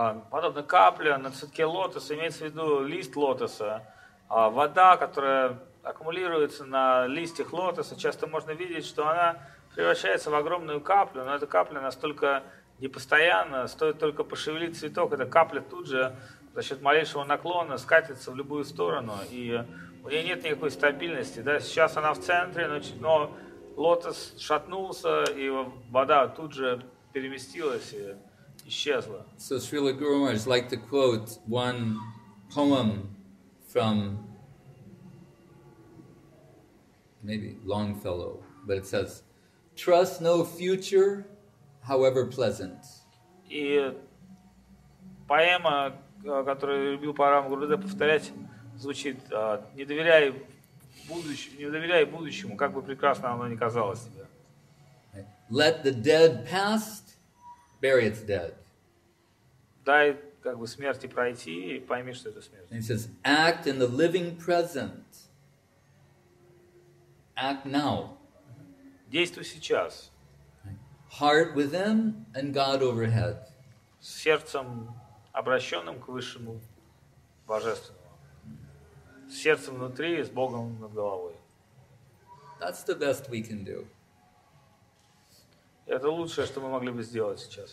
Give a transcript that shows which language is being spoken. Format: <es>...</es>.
<ru>Подобно капля на цветке лотоса, имеется в виду лист лотоса, вода, которая аккумулируется на листьях лотоса, часто можно видеть, что она превращается в огромную каплю, но эта капля настолько непостоянна, стоит только пошевелить цветок, эта капля тут же за счет малейшего наклона скатится в любую сторону, и у нее нет никакой стабильности. Да? Сейчас она в центре, но лотос шатнулся, и вода тут же переместилась и исчезла.</ru> <en>So Srila Guru Maharaj liked to quote one poem from maybe Longfellow, but it says, "Trust no future, however pleasant."</en> <ru>И поэма, которую любил Парам Гурудев повторять, звучит: "Не доверяй будущему, как бы прекрасно оно ни казалось тебе."</ru> <en>Let the dead past bury its dead.</en> <ru>Дай как бы смерти пройти и пойми, что это смерть.</ru> <en>And he says, act in the living present. Act now.</en> <ru>Действуй сейчас.</ru> <en>Heart within and God overhead.</en> <ru>Сердцем обращенным к Высшему Божественному. Сердцем внутри и с Богом над головой.</ru> <en>That's the best we can do.</en> <ru>Это лучшее, что мы могли бы сделать сейчас.</ru>